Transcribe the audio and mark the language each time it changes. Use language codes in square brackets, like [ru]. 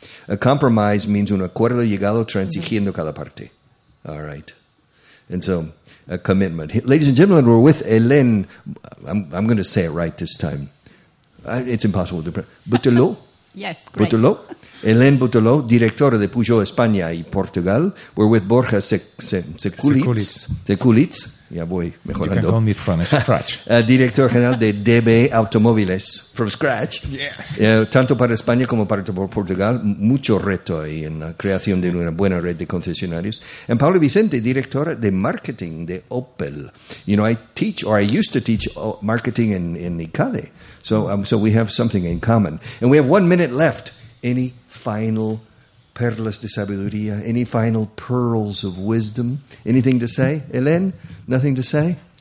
[en] A compromise means [es] un acuerdo llegado transigiendo cada parte. [en] All right. And so, a commitment. Ladies and gentlemen, we're with Hélène. I'm going to say it right this time. It's impossible to pronounce. Butelo? Yes, great. [es] Butelo? Hélène Butelo, directora de Peugeot España y Portugal. [en] We're with Borja Seculitz. [es] Ya voy mejorando. [en] You can call me from scratch. [es] Director general de DB Automóviles, [en] from scratch. Yeah. [es] Tanto para España como para Portugal, mucho reto ahí en la creación de una buena red de concesionarios. And Paula Vicente, directora de marketing de Opel. [en] You know, I used to teach marketing in ICADE. So we have something in common. And we have 1 minute left. Any final [es] perlas de sabiduría? [en] Any final pearls of wisdom? Anything to say, Hélène? Nothing to say?